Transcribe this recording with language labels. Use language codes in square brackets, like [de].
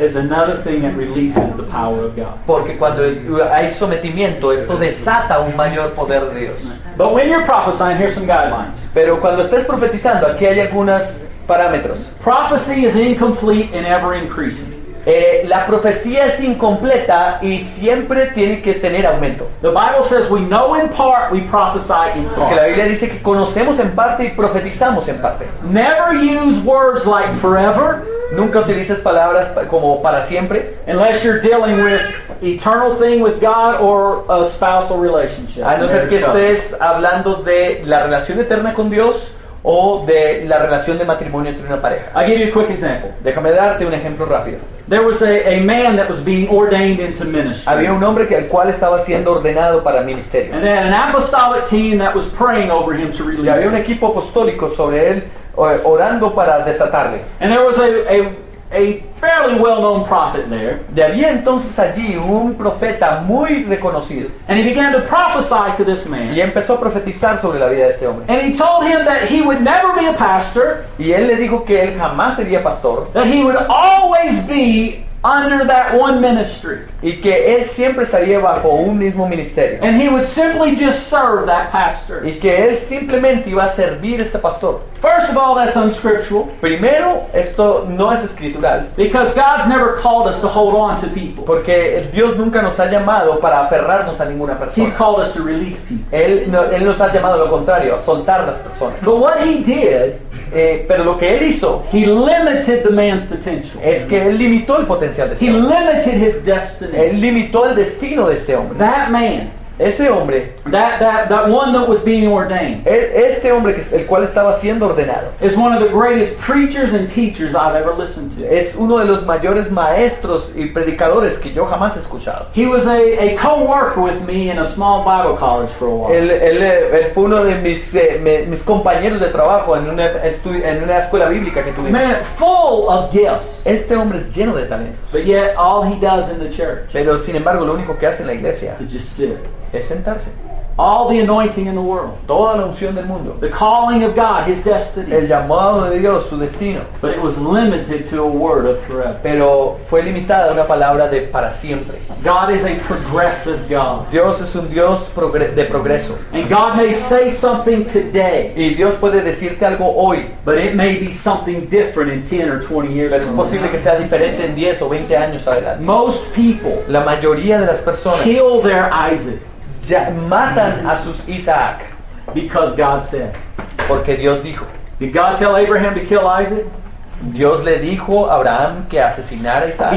[en] Is another thing that releases the power of God. [es] Porque cuando hay sometimiento, esto desata un mayor poder de Dios. [en] But when you're prophesying, here's some guidelines. [es] Pero cuando estés profetizando, aquí hay algunas parámetros. [en] Prophecy is incomplete and ever increasing. [es] La profecía es incompleta y siempre tiene que tener aumento. [en] The Bible says we know in part, we prophesy in part. [es] Porque la Biblia dice que conocemos en parte y profetizamos en parte. [en] Never use words like forever. [es] Nunca utilices palabras como para siempre. [en] Unless you're dealing with eternal thing with God or a spousal relationship. [es] A no ser que estés hablando de la relación eterna con Dios o de la relación de matrimonio entre una pareja. [en] I'll give you a quick example. [es] Déjame darte un ejemplo rápido. [en] There was a man that was being ordained into ministry. [es] Había un hombre que el cual estaba siendo ordenado para ministerio. [en] And then an apostolic team that was praying over him to release. [es] Y había un equipo apostólico sobre él orando para desatarle. [en] And there was a fairly well-known prophet there. [es] Y había entonces allí un profeta muy reconocido. [en] And he began to prophesy to this man. [es] Y empezó a profetizar sobre la vida de este hombre. [en] And he told him that he would never be a pastor. [es] Y él le dijo que él jamás sería pastor. [en] That he would always be under that one ministry. [es] Y que él siempre estaría bajo un mismo ministerio. [en] And he would simply just serve that pastor. [es] Y que él simplemente iba a servir a este pastor. [en] First of all, that's unscriptural. [es] Primero, esto no es escritural. [en] Because God's never called us to hold on to people. [es] Porque Dios nunca nos ha llamado para aferrarnos a ninguna persona. [en] He's called us to release people. [es] Él nos ha llamado a lo contrario, a soltar las personas. [en] But what he did, [es] pero lo que él hizo, [en] he limited the man's potential. [es] Es que él limitó el potencial de este hombre. [en] He limited his destiny. [es] Él limitó el destino de este hombre. [en] That man. [es] Ese hombre, [en] that one that was being ordained, [es] este hombre que, el cual estaba siendo ordenado, [en] is one of the greatest preachers and teachers I've ever listened to. [es] Es uno de los mayores maestros y predicadores que yo jamás he escuchado. [en] He was a co-worker with me in a small Bible college for a while. [es] Él fue uno de mis compañeros de trabajo en una escuela bíblica que tuvimos. [en] Man, full of gifts. [es] Este hombre es lleno de talento. [en] But yet, all he does in the church. [es] Pero sin embargo, lo único que hace en la iglesia [en] is just sit. [es] Es sentarse. [en] All the anointing in the world. [es] Toda la unción del mundo. [en] The calling of God, his destiny. [es] El llamado de Dios, su destino. [en] But it was limited to a word of forever. [es] Pero fue limitada a una palabra de para siempre. [en] God is a progressive God. [es] Dios es un Dios de progreso. [en] And God may say something today. [es] Y Dios puede decirte algo hoy. [en] But it may be something different in 10 or 20 years. [es] Pero es posible que sea diferente en 10 o 20 años adelante. [en] Most people, [es] la mayoría de las personas, [en] kill their Isaac. [es] Ya matan a sus Isaac. [en] Because God said. [es] Porque Dios dijo. [en] Did God tell Abraham to kill Isaac? [es] Dios le dijo a Abraham que asesinara a Isaac.